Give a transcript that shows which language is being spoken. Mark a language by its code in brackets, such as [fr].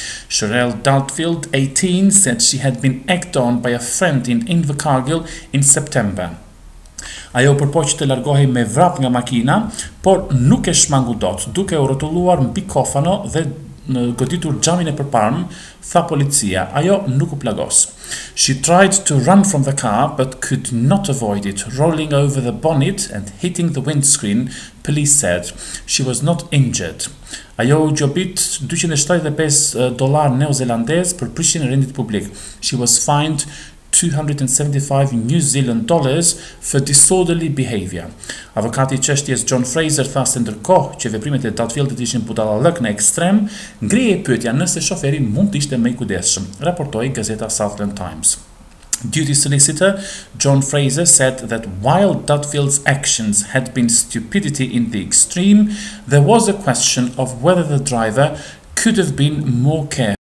[en] Cheryl Dudfield, 18, said she had been egged on by a friend in Invercargill in September. [sq] Ajo përpoq të largohej me vrap nga makina, por nuk e shmangu dot, duke u rrotulluar mbi kofano dhe në goditur xhamin e përparm, tha policia. Ajo nuk u plagos. [en] She tried to run from the car but could not avoid it, rolling over the bonnet and hitting the windscreen, police said. She was not injured. [sq] Ajo u gjobit $275 neozelandez për prishjen e rendit publik. [en] She was fined $275 New Zealand dollars for disorderly behavior. [sq] Avokati çështjes John Fraser tha se ndërkohë që veprimet e Dudfieldit ishin budallëk në ekstrem, ngrihej pyetja nëse shoferi mund të ishte më i kujdesshëm, raportoi gazeta Southland Times. [en] Duty solicitor John Fraser said that while Dudfield's actions had been stupidity in the extreme, there was a question of whether the driver could have been more careful.